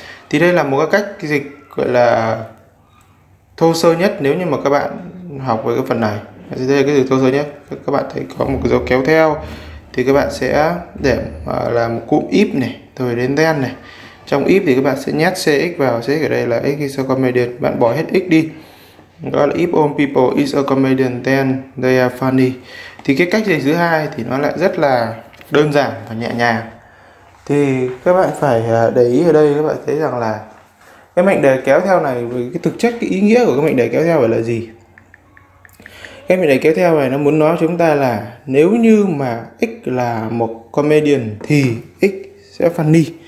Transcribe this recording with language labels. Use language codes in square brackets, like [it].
[vi] Thì đây là một cái cách dịch gọi là thô sơ nhất nếu như mà các bạn học về cái phần này. Đây là cái dịch thô sơ nhất. Các bạn thấy có một cái dấu kéo theo thì các bạn sẽ để là một cụm if này, rồi đến then này. Trong if thì các bạn sẽ nhét cx vào, cx ở đây là x is a comedian, bạn bỏ hết x đi. Đó là [en] if all people is a comedian then they are funny. [vi] Thì cái cách dịch thứ hai thì nó lại rất là đơn giản và nhẹ nhàng. Thì các bạn phải để ý ở đây các bạn thấy rằng là cái mệnh đề kéo theo này, cái thực chất cái ý nghĩa của cái mệnh đề kéo theo phải là gì? Cái mệnh đề kéo theo này nó muốn nói chúng ta là nếu như mà x là một comedian thì x sẽ funny.